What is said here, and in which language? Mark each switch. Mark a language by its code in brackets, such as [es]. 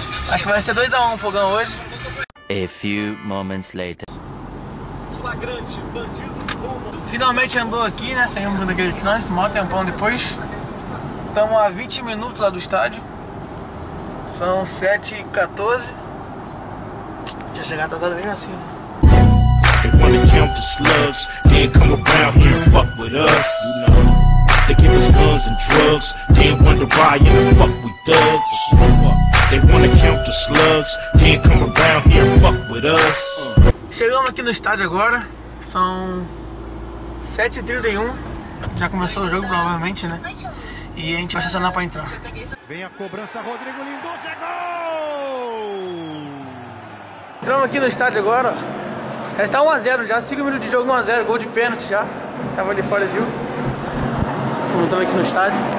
[pt] Acho que vai ser 2-1 o fogão hoje. [en] A few moments later. [pt] Flagrante, bandidos. Finalmente andou aqui, né? Saímos daquele trânsito, mó tempão depois. Estamos a 20 minutos lá do estádio. São 7h14. Já chegar atrasado mesmo assim. [en] They wanna count the slugs, they ain't come around here and fuck with us. You know, they give us guns and drugs, they ain't wonder why you don't fuck with thugs. They wanna count the slugs, they ain't come around here and fuck with us. [pt] Chegamos aqui no estádio agora, são 7h31. Já começou o jogo, provavelmente, né? E a gente vai estacionar pra entrar. Vem a cobrança, Rodrigo Lindoso, é gol! Entramos aqui no estádio agora. Já está 1-0 já, 5 minutos de jogo, 1-0, gol de pênalti já. Estava ali fora, viu? Voltamos aqui no estádio.